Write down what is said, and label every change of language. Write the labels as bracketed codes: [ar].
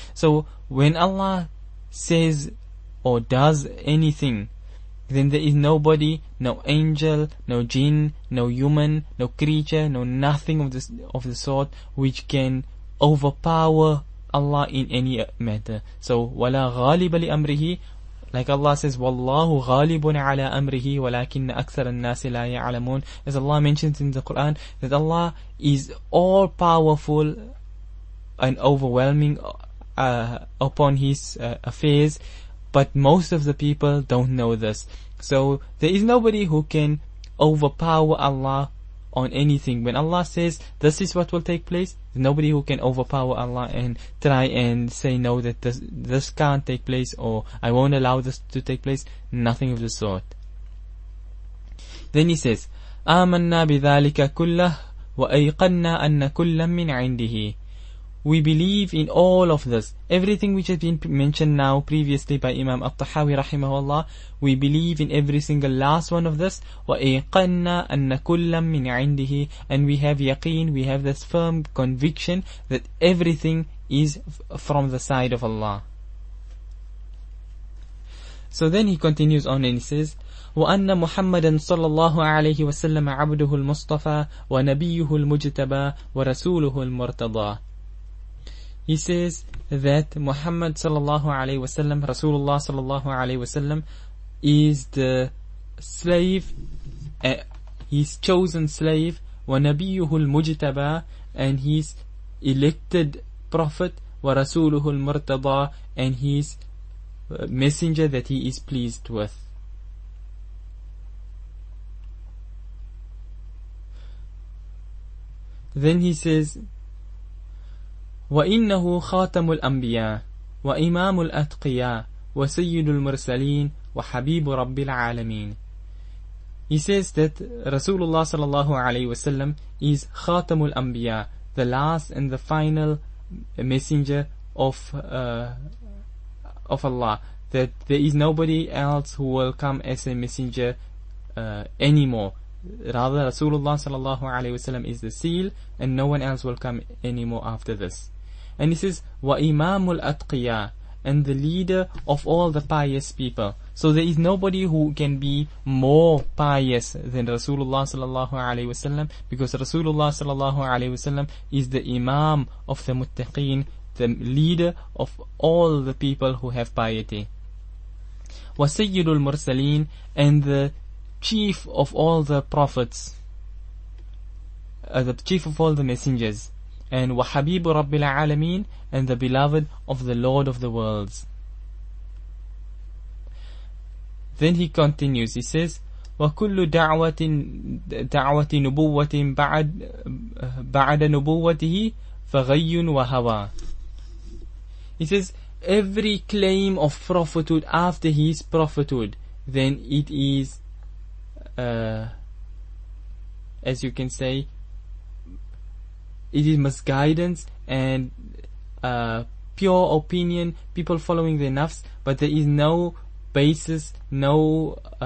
[en] So when Allah says or does anything, then there is nobody, no angel, no jinn, no human, no creature, no nothing of the sort which can overpower Allah in any matter. [ar] So, وَلَا غَالِبَ لِأَمْرِهِ. [en] Like Allah says, [ar] وَاللَّهُ غَالِبٌ عَلَىٰ أَمْرِهِ وَلَكِنَّ أَكْثَرَ النَّاسِ لَا يَعْلَمُونَ. [en] As Allah mentions in the Quran, that Allah is all-powerful and overwhelming upon His affairs, but most of the people don't know this. So there is nobody who can overpower Allah on anything. When Allah says, this is what will take place, nobody who can overpower Allah and try and say no, that this can't take place, or I won't allow this to take place, nothing of the sort. Then he says, [ar] آمَنَّا بِذَٰلِكَ كُلَّهُ وَأَيْقَنَّا أَنَّ كُلَّا مِّنْ عِنْدِهِ. [en] We believe in all of this. Everything which has been mentioned now previously by Imam At-Tahawi rahimahullah, we believe in every single last one of this. [ar] وَأَيْقَنَّا أَنَّ كُلَّا مِّنْ عِنْدِهِ. [en] And we have yaqeen, we have this firm conviction that everything is from the side of Allah. So then he continues on and he says, [ar] وَأَنَّ مُحَمَّدًا صَلَّى اللَّهُ عَلَيْهِ وَسَلَّمَ عَبْدُهُ الْمُصْطَفَى وَنَبِيُّهُ الْمُجْتَبَى وَرَسُولُهُ الْمُرْتَضَى. [en] He says that Muhammad sallallahu alayhi wa sallam, Rasulullah sallallahu alayhi wa sallam, is the slave, his chosen slave, [ar] وَنَبِيُّهُ الْمُجْتَبَى, [en] and his elected prophet, [ar] وَرَسُولُهُ الْمُرْتَضَى, [en] and his messenger that he is pleased with. Then he says, [ar] وَإِنَّهُ خَاتَمُ الْأَنْبِيَاءِ وَإِمَامُ الْأَتْقِيَاءِ وَسَيِّدُ الْمُرْسَلِينَ وَحَبِيبُ رَبِّ الْعَالَمِينَ. [en] He says that Rasulullah sallallahu alayhi wa sallam is [ar] خَاتَمُ الْأَنْبِيَاءِ, [en] the last and the final messenger of Allah. That there is nobody else who will come as a messenger anymore. Rather, Rasulullah sallallahu alayhi wa sallam is the seal, and no one else will come anymore after this. And he says, [ar] وَإِمَامُ الْأَتْقِيَاءِ, [en] and the leader of all the pious people. So there is nobody who can be more pious than Rasulullah sallallahu alayhi wa sallam, because Rasulullah sallallahu alayhi wa sallam is the imam of the muttaqeen, the leader of all the people who have piety. [ar] وَسَيِّدُ الْمُرْسَلِينَ, [en] and the chief of all the prophets, the chief of all the messengers, and [ar] وَحَبِيبُ رَبِّ الْعَالَمِينَ, [en] and the beloved of the Lord of the worlds. Then he continues, he says, [ar] وَكُلُّ دَعْوَةِ نُبُوَّةٍ بَعَدَ نُبُوَّتِهِ فَغَيٌّ وَهَوَى. [en] He says, every claim of prophethood after his prophethood, then it is, as you can say, it is misguidance and pure opinion, people following their nafs, but there is no basis, no